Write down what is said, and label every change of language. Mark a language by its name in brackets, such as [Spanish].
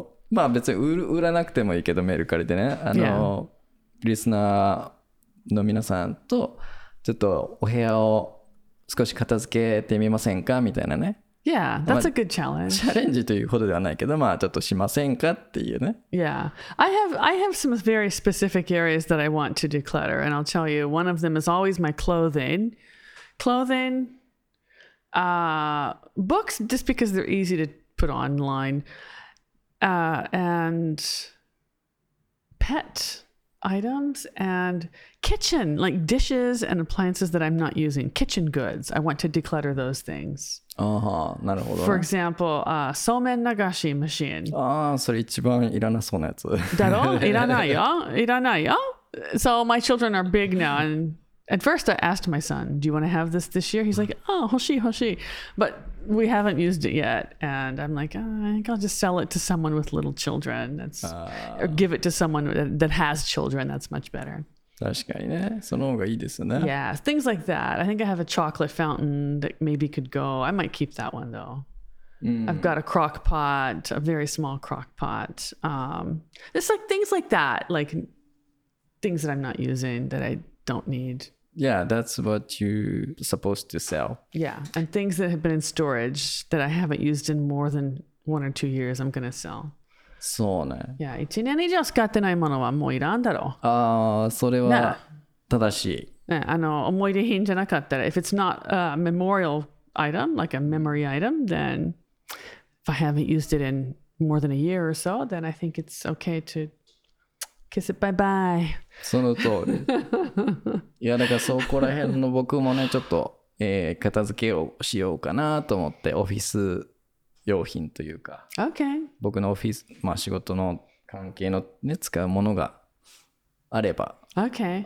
[Japanese] まあ別に売らなくてもいいけど、メルカリでね。リスナーの皆さんとちょっとお部屋を少し片付けてみませんかみたいなね。 [English] Yeah, that's a good challenge. [Japanese] チャレンジというほどではないけど、まあちょっとしませんかっていうね。 [English] Yeah, I have some very specific areas that I want to declutter, and I'll tell you, one of them is always my clothing, books, just because they're easy to put online, and pet items, and kitchen, like dishes and appliances that I'm not using, kitchen goods. I want to declutter those things. [Japanese] Uh-huh. なるほど。 [English] For example, somen nagashi machine. [Japanese] Ah, それ一番いらなそうなやつ。だろ？いらないよ。いらないよ。 [English] So my children are big now, and at first I asked my son, do you want to have this year? He's like, oh, hoshi. But we haven't used it yet. And I'm like, oh, I think I'll just sell it to someone with little children. Or give it to someone that has children. That's much better. [Japanese] 確かにね、その方がいいですよね。 [English] Yeah, things like that. I think I have a chocolate fountain that maybe could go. I might keep that one though.、Mm. I've got a crock pot, a very small crock pot. It's like things like that, like things that I'm not using that I don't need. Yeah, that's what you're supposed to sell. Yeah, and things that have been in storage that I haven't used in more than 1 or 2 years, I'm going to sell. [Japanese] そうね。いや、1年以上使ってないものはもういらんだろう。ああ、それは正しい。 [English] ね、思い出品じゃなかったら、 if it's not a memorial item, like a memory item, then if I haven't used it in more than a year or so, then I think it's okay to kiss it bye bye. [Japanese] その通り。いや、だからそこら辺の僕もね、ちょっと、片付けをしようかなと思って、オフィス。用品というか、 [English] okay. [Japanese] 僕のオフィス、まあ、仕事の関係の、ね、使うものがあれば、 [English] okay.